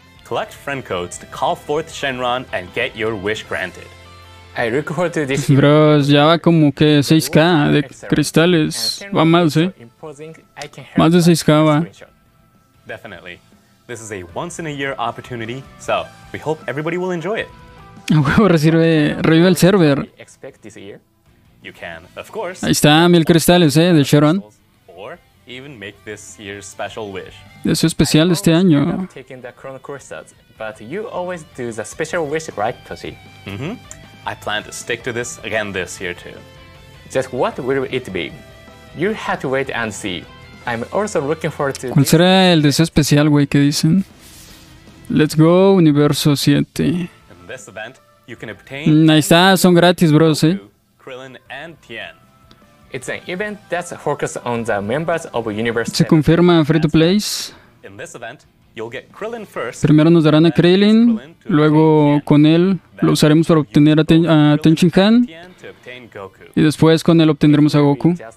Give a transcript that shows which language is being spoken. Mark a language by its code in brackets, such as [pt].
[en] Collect friend codes to call forth Shenron and get your wish granted. I look forward to this. [es] Bros, ya va como que 6K de cristales. Va mal, Más de 6K va. [en] Definitely. This is a once in a year opportunity, so we hope everybody will enjoy it. [es] A huevo, revive el server. [en] You can, of course. [es] Ahí está, 1000 cristales, de Shenron. [en] Even make this year's special wish. [es] Es especial este año. [en] Taking the Chrono Crystals, but you always do the special wish, right, Toshi? Mm-hmm. I plan to stick to this again this year too. Just what will it be? You have to wait and see. I'm also looking forward to. [es] ¿Cuál será el deseo especial, güey? ¿Qué dicen? [en] Let's go, [es] Universo 7. [en] In this event, you can obtain. [es] Ahí está, son gratis, bros, [en] Krillin and Tien. It's an event that's focused on the members of Universe. [es] Se confirma free to plays. [en] In this event, you'll get Krillin first. [es] Primero nos darán a Krillin, luego con él lo usaremos para obtener a Tenshinhan, y después con él obtendremos a Goku.